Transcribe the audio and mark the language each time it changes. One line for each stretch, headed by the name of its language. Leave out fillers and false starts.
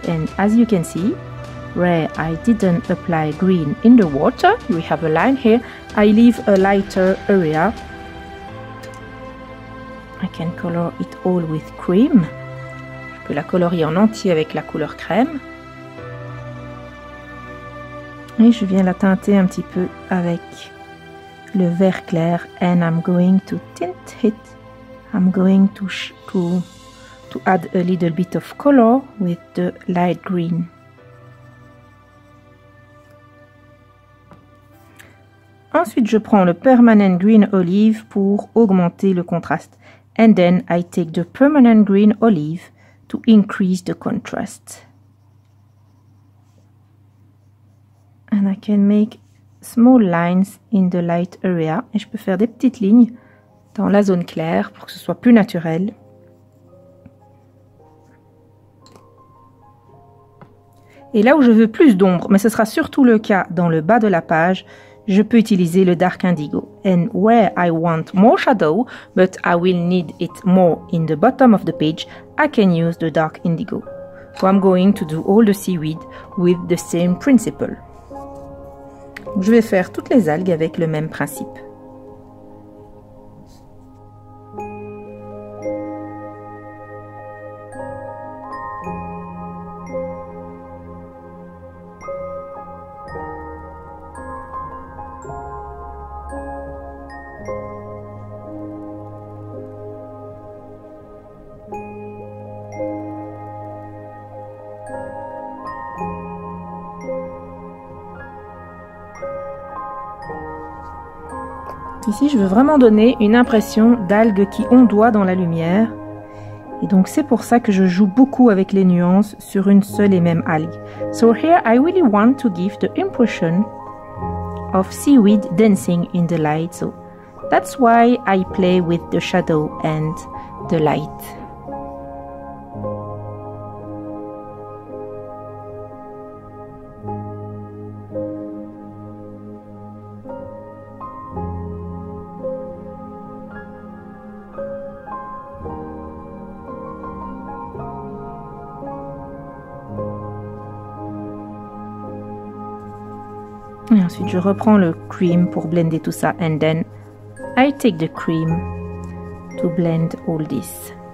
English: And as you can see, where I didn't apply green in the water, we have a line here, I leave a lighter area. I can color it all with cream.
French: Je peux la colorier en entier avec la couleur crème. Et je viens la teinter un petit peu avec le vert clair.
English: And I'm going to tint it. I'm going to add a little bit of color with the light green.
French: Ensuite, je prends le permanent green olive pour augmenter le contraste.
English: And then I take the permanent green olive to increase the contrast. And I can make small lines in the light area.
French: Et je peux faire des petites lignes dans la zone claire pour que ce soit plus naturel. Et là où je veux plus d'ombre, mais ce sera surtout le cas dans le bas de la page, je peux utiliser le dark indigo.
English: And where I want more shadow, but I will need it more in the bottom of the page, I can use the dark indigo. So I'm going to do all the seaweed with the same principle.
French: Je vais faire toutes les algues avec le même principe. Ici, je veux vraiment donner une impression d'algues qui ondoient dans la lumière. Et donc, c'est pour ça que je joue beaucoup avec les nuances sur une seule et même algue.
English: So here, I really want to give the impression of seaweed dancing in the light. So that's why I play with the shadow and the light.
French: Et ensuite, je reprends le cream pour blender tout ça.
English: And then, I take the cream to blend all this.